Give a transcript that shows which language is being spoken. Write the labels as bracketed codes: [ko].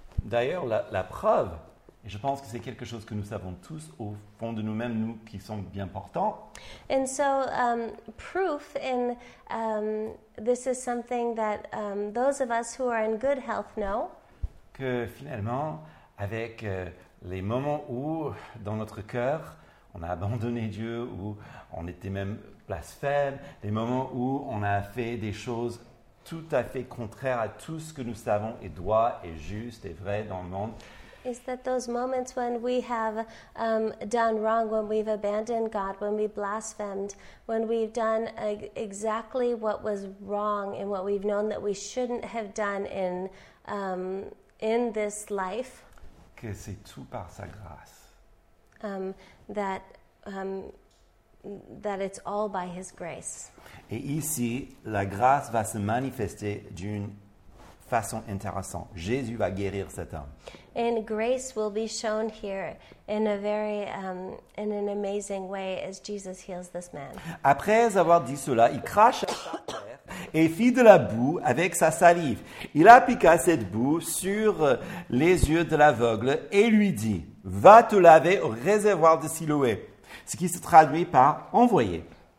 [fr] D'ailleurs, la preuve, et je pense que c'est quelque chose que nous savons tous au fond de nous-mêmes, nous qui sommes bien portants. [en] And so, proof in this is something that those of us who are in good health know. [fr] Que finalement, avec les moments où dans notre cœur on a abandonné Dieu, où on était même blasphème, les moments où on a fait des choses tout à fait contraire à tout ce que nous savons est droit et juste et vrai dans le monde. [en] Is that those moments when we have done wrong, when we've abandoned God, when we blasphemed, when we've done exactly what was wrong and what we've known that we shouldn't have done in this life? [fr] Que c'est tout par sa grâce. [en] That it's all by his grace. [fr] Et ici, la grâce va se manifester d'une façon intéressante. Jésus va guérir cet homme. [en] And grace will be shown here in a very, in an amazing way as Jesus heals this man. [fr] Après avoir dit cela, il crache et fit de la boue avec sa salive. Il appliqua cette boue sur les yeux de l'aveugle et lui dit, « Va te laver au réservoir de Siloé. » Ce qui se traduit par « envoyer ».